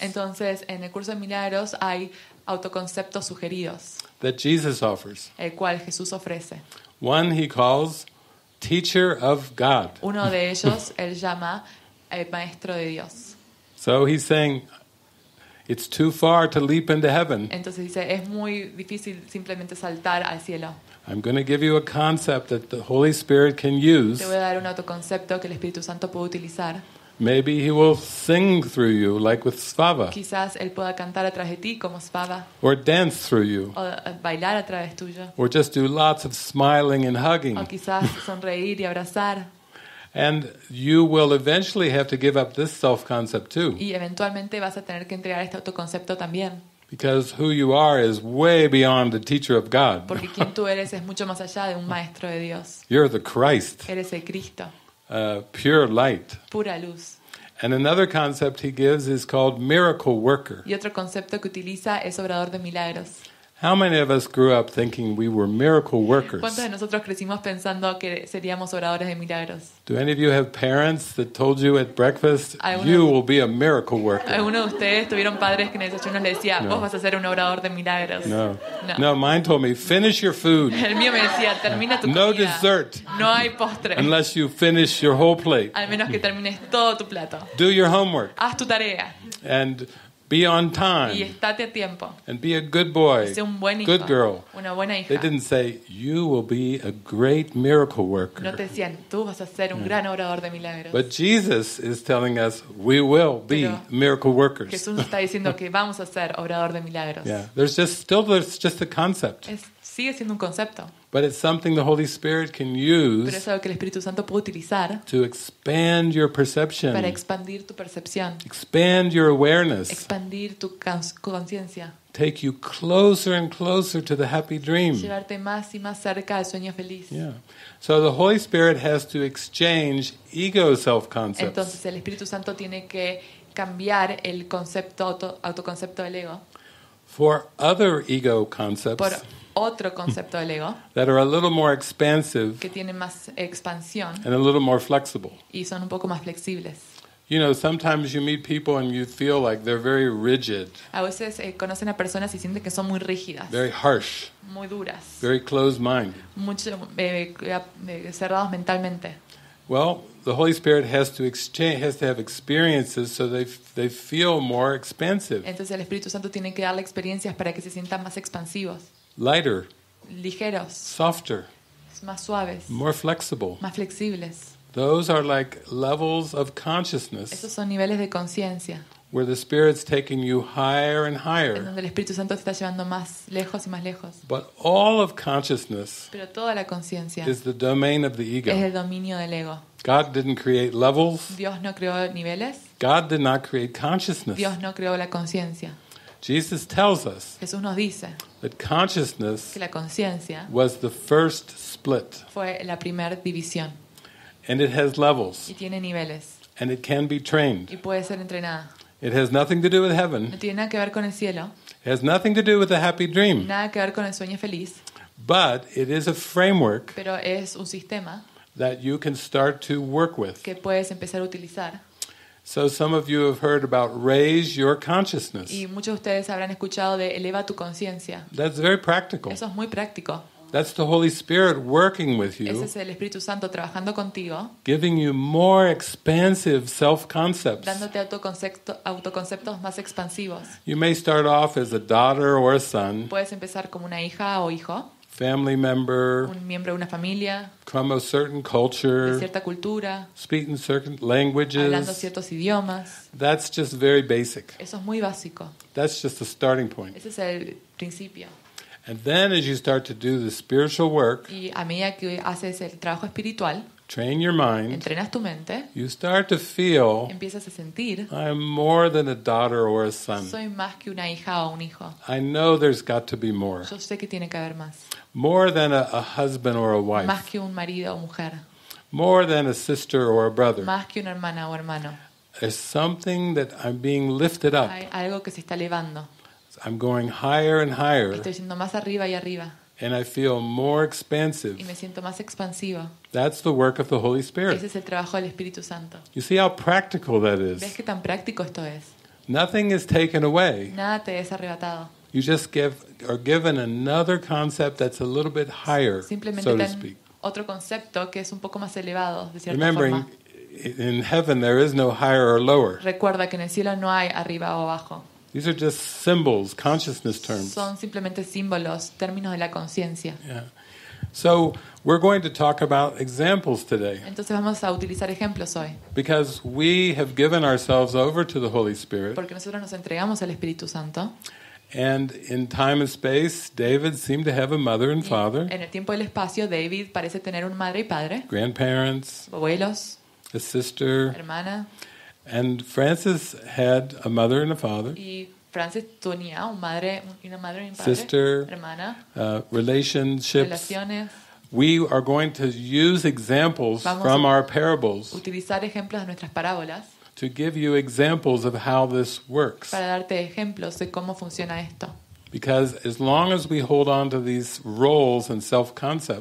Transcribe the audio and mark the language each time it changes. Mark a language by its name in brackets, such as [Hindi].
[Spanish] Entonces en el curso de milagros hay autoconceptos sugeridos. [English] That Jesus offers. [Spanish] El cual Jesús ofrece. [English] One he calls teacher of God. [Spanish] Uno de ellos él llama el maestro de Dios. [English] So he's saying it's too far to leap into heaven. [Spanish] Entonces dice es muy difícil simplemente saltar al cielo. [English] I'm going to give you a concept that the Holy Spirit can use. [Spanish] Te voy a dar un autoconcepto que el Espíritu Santo puede utilizar. [English] Maybe he will sing through you like with Svava. [Spanish] Quizás él pueda cantar a través de ti como Svava. [English] Or dance through you. [Spanish] O bailar a través tuyo. [English] Or just do lots of smiling and hugging. [Spanish] O quizás sonreír y abrazar. [English] And you will eventually have to give up this self-concept too. [Spanish] Y eventualmente vas a tener que entregar este autoconcepto también. [English] Because who you are is way beyond the teacher of God. [Spanish] Porque quien tú eres es mucho más allá de un maestro de Dios. [English] You're the Christ. [Spanish] Eres el Cristo. [English] Pure light. [Spanish] Pura luz. [English] And another concept he gives is called miracle worker. [Spanish] Y otro concepto que utiliza es obrador de milagros. [English] How many of us grew up thinking we were miracle workers? [Spanish] ¿Cuántos de nosotros crecimos pensando que seríamos obradores de milagros? [English] Do any of you have parents that told you at breakfast you will be a miracle worker? [Spanish] ¿Alguno de ustedes tuvieron padres que en el desayuno les decía, vos vas a ser un obrador de milagros? [English] No. No, mine told me, finish your food. [Spanish] El mío me decía, termina tu comida. [English] No dessert. [Spanish] No hay postre. [English] Unless you finish your whole plate. [Spanish] Al menos que termines todo tu plato. [English] Do your homework. [Spanish] Haz tu tarea. [English] And be on time. [Spanish] Y estate a tiempo. [English] And be a good boy. [Spanish] Sé un buen hijo. [English] Good girl. [Spanish] Una buena hija. [English] They didn't say you will be a great miracle worker. [Spanish] No te decían tú vas a ser un gran obrador de milagros. [English] But Jesus is telling us we will be miracle workers. [Spanish] Jesús está diciendo que vamos a ser obrador de milagros. [English] Yeah. There's just a concept. [Spanish] Sigue siendo un concepto. [English] But it's something the Holy Spirit can use. [Spanish] Pero es algo que el Espíritu Santo puede utilizar. [English] To expand your perception. [Spanish] Para expandir tu percepción. [English] Expand your awareness. [Spanish] Expandir tu conciencia. [English] Take you closer and closer to the happy dream. [Spanish] Llevarte más y más cerca al sueño feliz. [English] Yeah. So the Holy Spirit has to exchange ego self concepts. [Spanish] Entonces el Espíritu Santo tiene que cambiar el concepto autoconcepto del ego. [English] For other ego concepts. [Spanish] Por otro concepto del ego [English] that are a little more expansive, [Spanish] que tienen más expansión, [English] and a little more flexible, [Spanish] y son un poco más flexibles. [English] You know, sometimes you meet people and you feel like they're very rigid. [Spanish] A veces conocen a personas y sienten que son muy rígidas. [English] Very harsh. [Spanish] Muy duras. [English] Very closed-minded. [Spanish] Mucho cerrados mentalmente. [English] Well, the Holy Spirit has to have experiences so they feel more expansive. [Spanish] Entonces el Espíritu Santo tiene que darle experiencias para que se sientan más expansivos. [English] Lighter, [Spanish] ligeros, [English] softer, [Spanish] más suaves, [English] more flexible, [Spanish] más flexibles. [English] Those are like levels of consciousness. [Spanish] Esos son niveles de conciencia. [English] Where the Spirit's taking you higher and higher. [Spanish] En donde el Espíritu Santo te está llevando más lejos y más lejos. [English] But all of consciousness. [Spanish] Pero toda la conciencia. [English] Is the domain of the ego. [Spanish] Es el dominio del ego. [English] God didn't create levels. [Spanish] Dios no creó niveles. [English] God did not create consciousness. [Spanish] Dios no creó la conciencia. [English] Jesus tells us. [Spanish] Jesús nos dice. [English] That consciousness, [Spanish] que la conciencia, [English] was the first split. [Spanish] Fue la primera división. [English] And it has levels. [Spanish] Y tiene niveles. [English] And it can be trained. [Spanish] Y puede ser entrenada. [English] It has nothing to do with heaven. [Spanish] No tiene nada que ver con el cielo. [English] It has nothing to do with the happy dream. [Spanish] Nada que ver con el sueño feliz. [English] But it is a framework. [Spanish] Pero es un sistema. [English] That you can start to work with. [Spanish] Que puedes empezar a utilizar. [English] So some of you have heard about raise your consciousness. [Spanish] Y muchos de ustedes habrán escuchado de eleva tu conciencia. [English] That's very practical. [Spanish] Eso es muy práctico. [English] That's the Holy Spirit working with you. [Spanish] Ese es el Espíritu Santo trabajando contigo. [English] Giving you more expansive self-concepts. [Spanish] Dándote autoconceptos más expansivos. [English] You may start off as a daughter or a son. [Spanish] Puedes empezar como una hija o hijo. [English] Family member, [Spanish] un miembro de una familia, [English] from a certain culture, [Spanish] de cierta cultura, [English] speaking certain languages, [Spanish] hablando ciertos idiomas. [English] That's just very basic. [Spanish] Eso es muy básico. [English] That's just a starting point. [Spanish] Ese es el principio. [English] And then as you start to do the spiritual work, [Spanish] y a medida que haces el trabajo espiritual, [English] train your mind, [Spanish] entrenas tu mente, [English] you start to feel, [Spanish] empiezas a sentir, [English] I am more than a daughter or a son. [Spanish] Soy más que una hija o un hijo. [English] I know there's got to be more. [Spanish] Yo sé que tiene que haber más. [English] More than a husband or a wife. [Spanish] Más que un marido o mujer. [English] More than a sister or a brother. [Spanish] Más que una hermana o hermano. [English] There's something that I'm being lifted up. [Spanish] Hay algo que se está elevando. [English] I'm going higher and higher. [Spanish] Estoy yendo más arriba y arriba. [English] And I feel more expansive. [Spanish] Y me siento más expansivo. [English] That's the work of the Holy Spirit. [Spanish] Ese es el trabajo del Espíritu Santo. [English] You see how practical that is. [Spanish] ¿Ves qué tan práctico esto es? [English] Nothing is taken away. [Spanish] Nada te es arrebatado. [English] You just are given another concept that's a little bit higher. [Spanish] Simplemente [English] so to speak. [Spanish] Otro concepto que es un poco más elevado, de cierta [English] Remembering, [Spanish] forma. [English] In heaven there is no higher or lower. [Spanish] Recuerda que en el cielo no hay arriba o abajo. [English] These are just symbols, consciousness terms. [Spanish] Son simplemente símbolos, términos de la conciencia. [English] Yeah. So we're going to talk about examples today. [Spanish] Entonces vamos a utilizar ejemplos hoy. [English] Because we have given ourselves over to the Holy Spirit. [Spanish] Porque nosotros nos entregamos al Espíritu Santo. [English] And in time and space, David seemed to have a mother and father. [Spanish] En el tiempo y el espacio, David parece tener un madre y padre. [English] Grandparents. [Spanish] Abuelos. [English] A sister. [Spanish] Hermana. [English] And Francis had a mother and a father. [Spanish] Y Francis tenía un madre y una madre y un padre, [English] sister, [Spanish] hermana, [English] relationships. [Spanish] Relaciones. [English] We are going to use examples from our parables. [Spanish] Utilizar ejemplos de nuestras parábolas. [English] To give you examples of how this works. [Spanish] Para darte ejemplos de cómo funciona esto. [English] Because as long as we hold on to these roles and self-concepts,